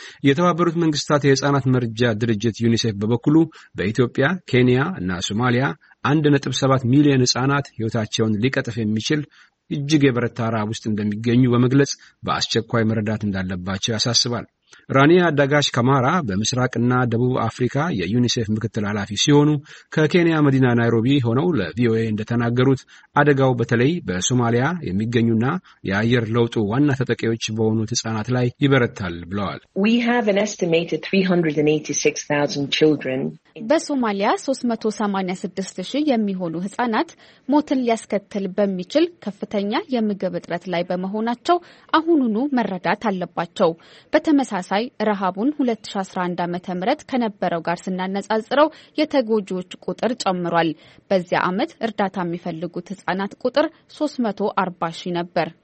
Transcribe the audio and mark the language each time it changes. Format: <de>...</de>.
<am>የተባበሩት መንግስታት የህፃናት መርጃ ድርጅት ዩኒሴፍ በበኩሉ በኢትዮጵያ፣ ኬንያ እና ሶማሊያ 1.7 ሚሊዮን ህፃናት ህይወታቸውን ሊቀጥፍ የሚችል እጅግ የበረታ ረሃብ ውስጥ እንደሚገኙ በመግለጽ በአስቸኳይ መረዳት እንዳለባቸው ያሳስባል። ራኒያ ዳጋሽ ካማራ በምስራቅና ደቡብ አፍሪካ የዩኒሴፍ ምክትል ኃላፊ ሲሆኑ ከኬንያ መዲና ናይሮቢ ሆነው ለቪኦኤ እንደተናገሩት አደጋው በተለይ በሶማሊያ የሚገኙና የአየር ለውጡ ዋና ተጠቂዎች በሆኑ ህጻናት ላይ ይበረታል ብለዋል።</am> <en>We have an estimated 386,000 children.</en> <am>በሶማሊያ 386,000 የሚሆኑ ህጻናት ሞትን ሊያስከትል በሚችል ከፍተኛ የምግብ እጥረት ላይ በመሆናቸው አሁኑኑ መረዳት አለባቸው። በተመሳሳይ ረሃቡን 2011 ዓ.ም ምረት ከነበረው ጋር ስናነጻጽረው የተጎጂዎች ቁጥር ጨምሯል። በዚያ አመት እርዳታ የሚፈልጉት ህጻናት ቁጥር 340,000 ነበር።</am>